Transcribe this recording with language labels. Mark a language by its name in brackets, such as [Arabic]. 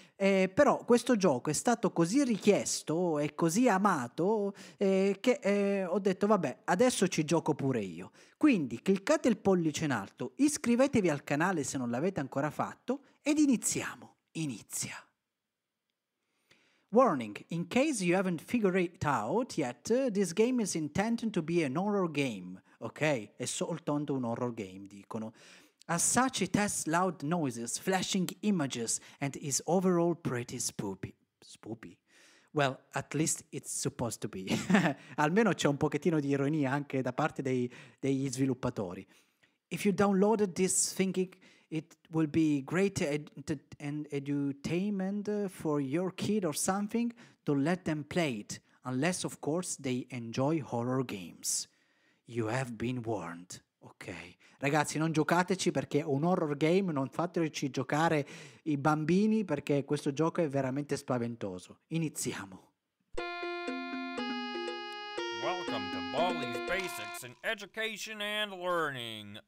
[Italian] Però questo gioco è stato così richiesto e così amato che ho detto vabbè, adesso ci gioco pure io. Quindi cliccate il pollice in alto, iscrivetevi al canale se non l'avete ancora fatto ed iniziamo. Inizia. [English] Warning, in case you haven't figured it out yet, this game is intended to be an horror game. Ok, è soltanto un horror game, dicono. As such, it has loud noises, flashing images, and is overall pretty spoopy. Spoopy? Well, at least it's supposed to be. [Italian] Almeno c'è un pochettino di ironia anche da parte degli sviluppatori. [English] If you downloaded this thinking it will be great entertainment for your kid or something, don't let them play it, unless of course they enjoy horror games. You have been warned. [Italian] Ok, ragazzi, non giocateci perché è un horror game, non fateci giocare i bambini perché questo gioco è veramente spaventoso. Iniziamo. [English] Welcome to Baldi's Basics in Education and Learning.